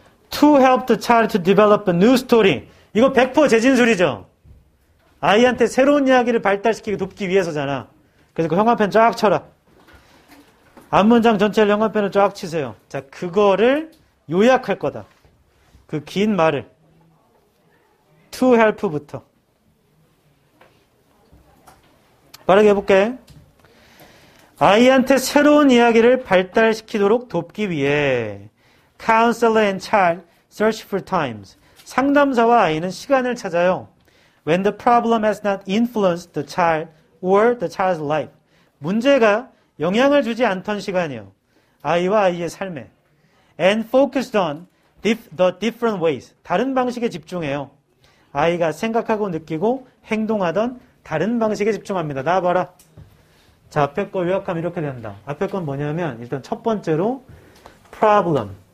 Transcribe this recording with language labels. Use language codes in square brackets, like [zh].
[en] To help the child to develop a new story. [ko] 이거 100% 재진술이죠. 아이한테 새로운 이야기를 발달시키고 돕기 위해서잖아. 그래서 그 형광펜 쫙 쳐라. 앞문장 전체를 형광펜을 쫙 치세요. 자, 그거를 요약할 거다. 그 긴 말을. [en] To help [ko] 부터. 빠르게 해볼게. 아이한테 새로운 이야기를 발달시키도록 돕기 위해 [en] counselor and child search for times. [ko] 상담사와 아이는 시간을 찾아요. [en] When the problem has not influenced the child or the child's life. [ko] 문제가 영향을 주지 않던 시간이요. 아이와 아이의 삶에. [en] And focused on the different ways. [ko] 다른 방식에 집중해요. 아이가 생각하고 느끼고 행동하던 다른 방식에 집중합니다. 나와봐라. 자, 앞에 거 요약하면 이렇게 된다. 앞에 건 뭐냐면, 일단 첫 번째로, problem.